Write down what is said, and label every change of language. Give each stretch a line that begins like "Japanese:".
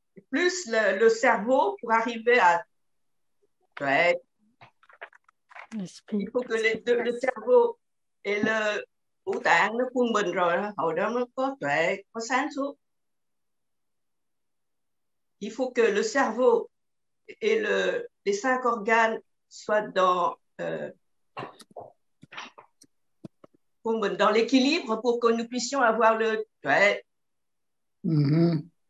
French: Plus le cerveau pour arriver à ouais. Il faut que les deux, le cerveau et le
Vietnamese: ngũ tạng nó quân bình rồi hồi đó nó có tuệ, có sáng suốt.
French: Il faut que le cerveau et les cinq organes soient dans dans l'équilibre pour que nous puissions avoir le ouais. Mm-hmm.